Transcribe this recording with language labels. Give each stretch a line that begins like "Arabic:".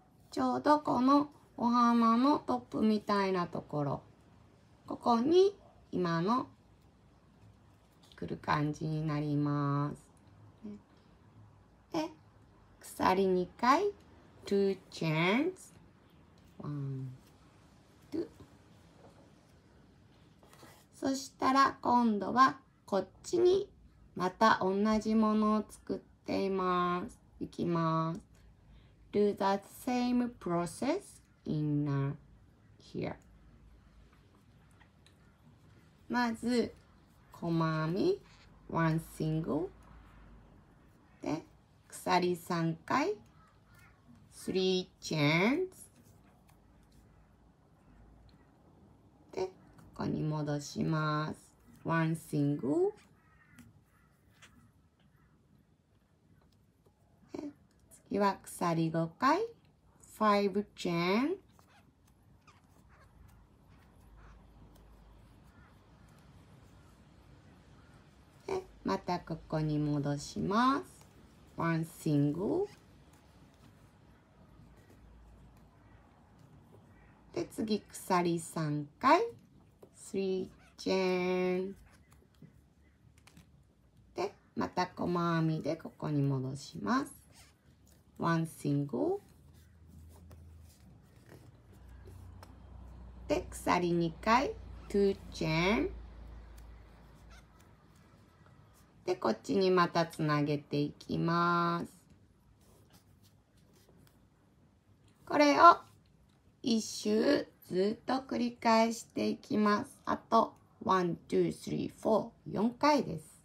Japanese: ちょうどこのお花のトップみたいなところここに今の来る感じになります。で、鎖2回
English: two chance.
Japanese: そしたら今度はこっちにまた同じものを作っています。いきます。
English: Do the same process in here.
Japanese: まず細編み
English: one single
Japanese: で鎖3回
English: three chains
Japanese: でここに戻します
English: one single
Japanese: で次は鎖5回
English: five chain
Japanese: でまたここに戻します
English: One single.
Japanese: で次鎖3回
English: three chain.
Japanese: でまた細編みでここに戻します
English: One single.
Japanese: で鎖2回
English: two chain.
Japanese: でこっちにまたつなげていきます。これを一周ずっと繰り返していきます。あと1、2、3、4、4回です。